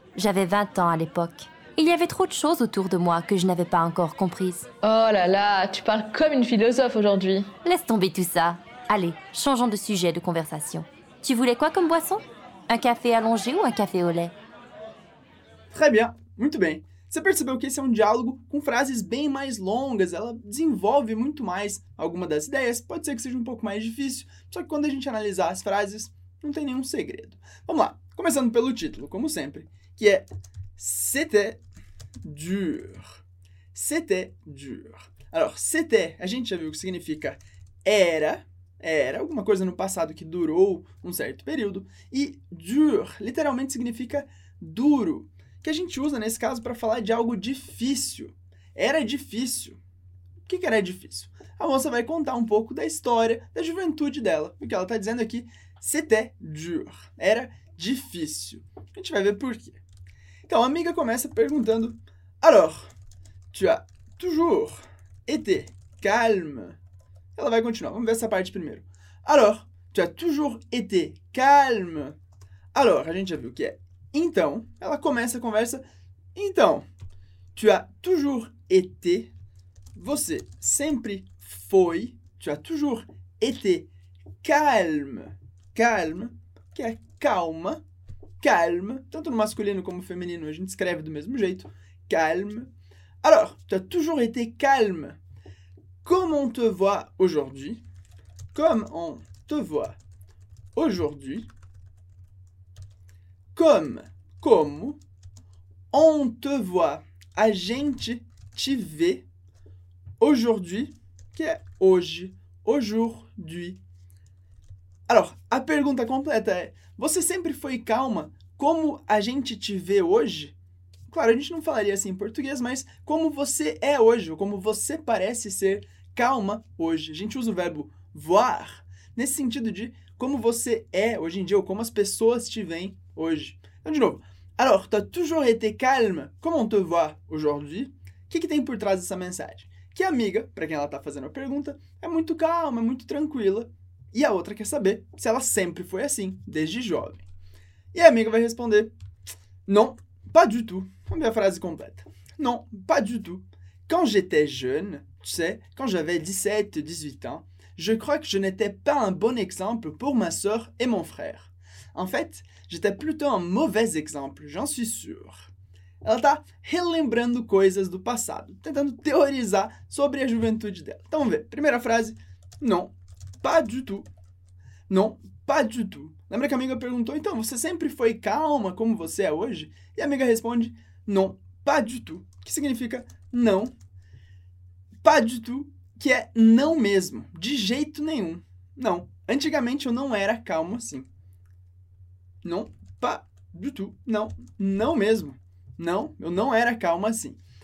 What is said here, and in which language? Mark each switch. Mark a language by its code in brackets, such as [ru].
[fr] J'avais 20 ans à l'époque. Il y avait trop de choses autour de moi que je n'avais pas encore comprises. Oh là là, tu parles comme une philosophe aujourd'hui. Laisse tomber tout ça. Allez, changeons de sujet de conversation. Tu voulais quoi comme boisson? Un café allongé ou un café au lait? Très bien, [pt] muito bem. Você percebeu que esse é um diálogo com frases bem mais longas, ela desenvolve muito mais alguma das ideias, pode ser que seja um pouco mais difícil, só que quando a gente analisar as frases, não tem nenhum segredo. Vamos lá, começando pelo título, como sempre, que é [fr] C'était dur. C'était dur. Alors, c'était, [pt] a gente já viu o que significa era. Era alguma coisa no passado que durou um certo período. E dur, literalmente significa duro, que a gente usa nesse caso para falar de algo difícil. Era difícil. O que era difícil? A moça vai contar um pouco da história da juventude dela. O que ela está dizendo aqui, [fr] c'était dur. [pt] Era difícil. A gente vai ver por quê. Então, a amiga começa perguntando, [fr] alors, tu as toujours été calme? [pt] Ela vai continuar. Vamos ver essa parte primeiro. [fr] Alors, tu as toujours été calme? Alors, [pt] a gente já viu o que é. Então, ela começa a conversa. Então, [fr] tu as toujours été, [pt] você sempre foi, [fr] tu as toujours été calme. [pt] Calme, que é calma, calme. Tanto no masculino como no feminino, a gente escreve do mesmo jeito. Calme. [fr] Alors, tu as toujours été calme. Comme on te voit aujourd'hui, comme on te voit aujourd'hui, comme, [pt] como, [fr] on te voit, [pt] a gente te vê, [fr] aujourd'hui, [pt] que é hoje, [fr] aujourd'hui. [pt] Alors, a pergunta completa é, você sempre foi calma, como a gente te vê hoje? Claro, a gente não falaria assim em português, mas como você é hoje, ou como você parece ser calma hoje. A gente usa o verbo voir nesse sentido de como você é hoje em dia ou como as pessoas te veem hoje. Então, de novo. [fr] Alors, tu as toujours été calme, comme on te voit aujourd'hui? [pt] O que tem por trás dessa mensagem? Que a amiga, para quem ela tá fazendo a pergunta, é muito calma, é muito tranquila. E a outra quer saber se ela sempre foi assim, desde jovem. E a amiga vai responder, [fr] non, pas du tout. [pt] Vamos ver a frase completa. [fr] Non, pas du tout. Quand j'étais jeune, tu sais, quand j'avais 17, 18 ans, je crois que je n'étais pas un bon exemple pour ma sœur et mon frère. En fait, j'étais plutôt un mauvais exemple, j'en suis sûr. [pt] Ela tá relembrando coisas do passado, tentando teorizar sobre a juventude dela. Então vamos ver, primeira frase, [fr] non, pas du tout. Non, pas du tout. [pt] Lembra que a amiga perguntou, então, você sempre foi calma como você é hoje? E a amiga responde, [fr] non, pas du tout. [pt] Que significa não, [fr] pas du tout, [pt] que é não mesmo, de jeito nenhum. Não, antigamente eu não era calmo assim. [fr] Non, pas du tout. [pt] Não, não mesmo. Não, eu não era calmo assim.